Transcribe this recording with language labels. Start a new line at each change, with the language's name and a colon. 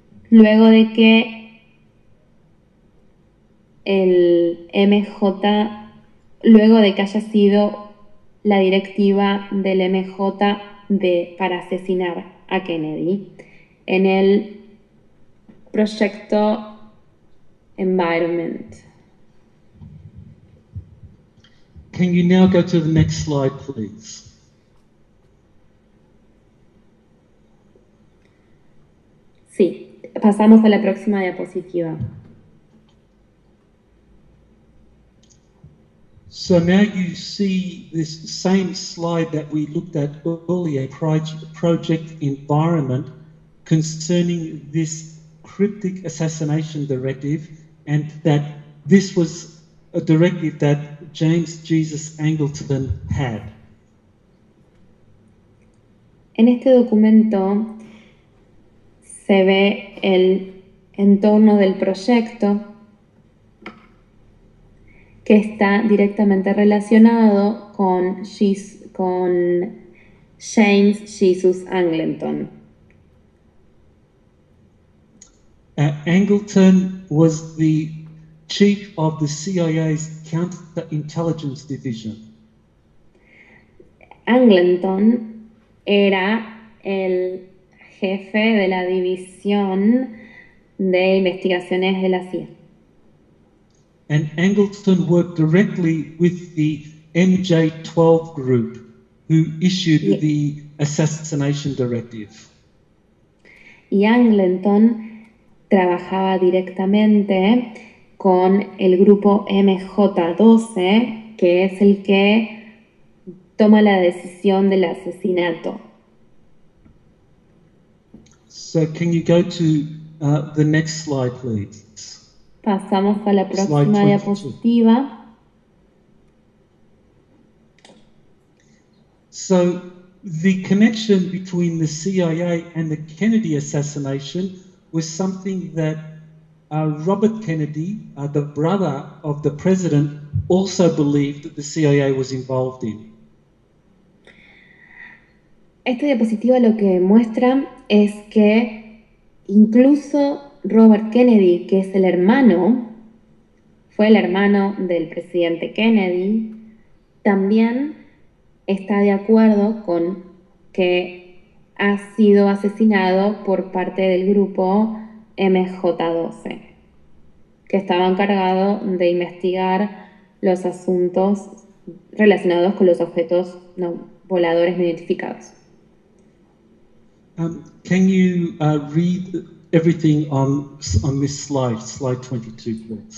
Spanish: Luego de que el MJ, luego de que haya sido la directiva del MJ para asesinar a Kennedy en el proyecto Environment.
English: Can you now go to the next slide, please?
Spanish: Sí, pasamos a la próxima diapositiva.
English: So now you see this same slide that we looked at earlier, Project Environment, concerning this cryptic assassination directive, and that this was a directive that James Jesus Angleton had.
Spanish: En este documento se ve el entorno del proyecto que está directamente relacionado con James Jesus Angleton.
English: Angleton was the chief of the CIA's counterintelligence division.
Spanish: Angleton era el jefe de la división de investigaciones de la CIA.
English: And Angleton worked directly with the MJ-12 group who issued the assassination directive.
Spanish: Y Angleton trabajaba directamente con el grupo MJ-12, que es el que toma la decisión del asesinato.
English: So, can you go to the next slide, please?
Spanish: Pasamos a la próxima diapositiva.
English: So, the connection between the CIA and the Kennedy assassination was something that Robert Kennedy, the brother of the president, also believed that the CIA was involved in.
Spanish: Esta diapositiva lo que muestra es que incluso Robert Kennedy, que es el hermano, fue el hermano del presidente Kennedy, también está de acuerdo con que ha sido asesinado por parte del grupo MJ-12, que estaba encargado de investigar los asuntos relacionados con los objetos no voladores no identificados.
English: Can you read everything on this slide, slide 22, please?